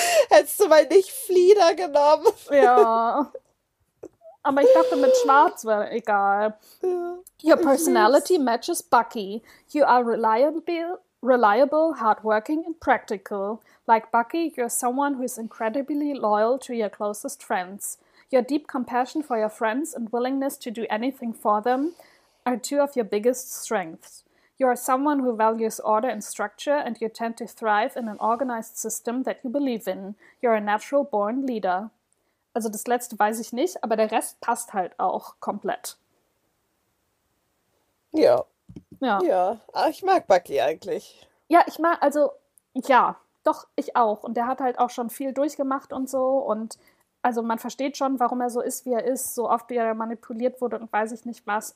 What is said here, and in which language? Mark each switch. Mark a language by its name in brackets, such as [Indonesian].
[German] hättest du mal nicht Flieder genommen? Ja. Aber ich dachte, mit Schwarz wäre egal. [English] Your [German] Ich lieb's. [English] personality matches Bucky. You are reliable, hardworking and practical. Like Bucky, you're someone who is incredibly loyal to your closest friends. Your deep compassion for your friends and willingness to do anything for them are two of your biggest strengths. You are someone who values order and structure, and you tend to thrive in an organized system that you believe in. You're a natural born leader. [German] Also das Letzte weiß ich nicht, aber der Rest passt halt auch komplett. Ja, Ja. ach, ich mag Bucky eigentlich. Ja, ich mag, also ja, doch, ich auch. Und der hat halt auch schon viel durchgemacht und so. Und also man versteht schon, warum er so ist, wie er ist, so oft wie er manipuliert wurde und weiß ich nicht was.